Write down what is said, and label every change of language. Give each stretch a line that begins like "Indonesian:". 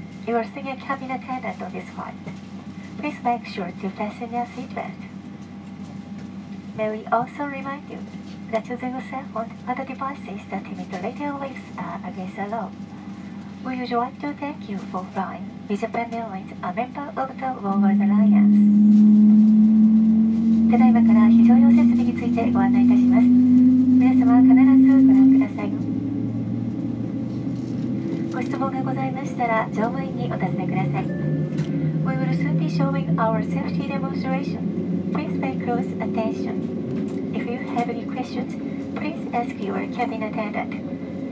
English: You are senior cabin attendant on this flight. Please make sure to fasten your seatbelt. May we also remind you that using your cell phone and other devices that emit radio waves are against the law. We would like to thank you for flying with Japan Airlines, a member of the Oneworld Alliance.
Japanese: ただいまから非常用設備についてご案内いたします。皆様必ずご覧ください。ご質問がございましたら乗務員にお尋ねください。
English: We will soon be showing our safety demonstration. Please pay close attention. If you have any questions, please ask your cabin attendant.